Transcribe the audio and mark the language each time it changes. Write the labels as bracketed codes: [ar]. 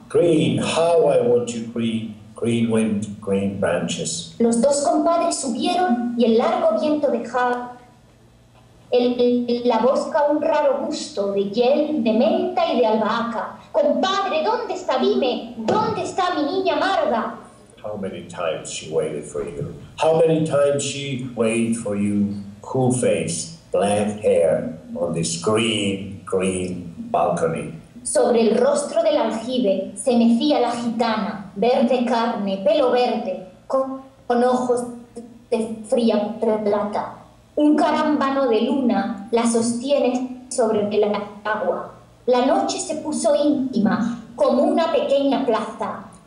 [en] Green, how I want you green, green wind, green branches. [es] Los dos compadres subieron y el largo viento dejaba la bosca un raro gusto de hiel, de menta y de albahaca. Compadre, ¿dónde está? Dime, ¿dónde está mi niña amarga? [en] How many times she waited for you? How many times she waited for you? Cool face, black hair, on this green, green balcony. [es] Sobre el rostro del aljibe se mecía la gitana, verde carne, pelo verde, con ojos de fría plata. Un carámbano de luna la sostiene sobre el agua. La noche se puso íntima, como una pequeña plaza.